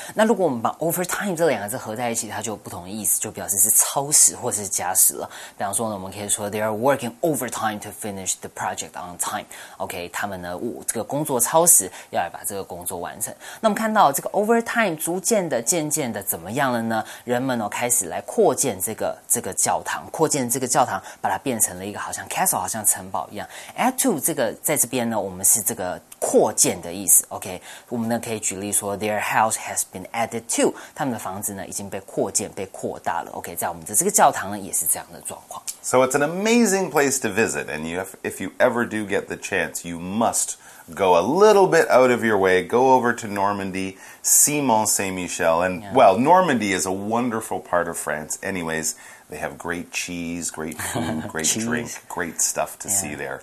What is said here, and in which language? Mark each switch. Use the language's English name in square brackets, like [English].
[Chinese] 那如果我们把 over time 这两个字合在一起，它就有不同的意思，就表示是超时或是加时了。比方说呢，我们可以说 [English] they are working overtime to finish the project on time. [Chinese] Okay, 他们呢，这个工作超时，要来把这个工作完成。那我们看到这个 over time 逐渐的、渐渐的怎么样了呢？人们呢，开始来扩建这个教堂，扩建这个教堂，把它变成了一个好像 castle， 好像城堡一样。 Add to 这个在这边呢，我们是这个扩建的意思 ，OK？我们呢可以举例说 ， [English] their house has been added to， [Chinese] 他们的房子呢已经被扩建、被扩大了 ，OK？在我们的这个教堂呢也是这样的状况。 [English] So it's an amazing place to visit, and if you ever do get the chance, you must go a little bit out of your way, go over to Normandy, see Mont-Saint-Michel, and well, Normandy is a wonderful part of France, anyways. They have great cheese, great food, great drink, great stuff to see there.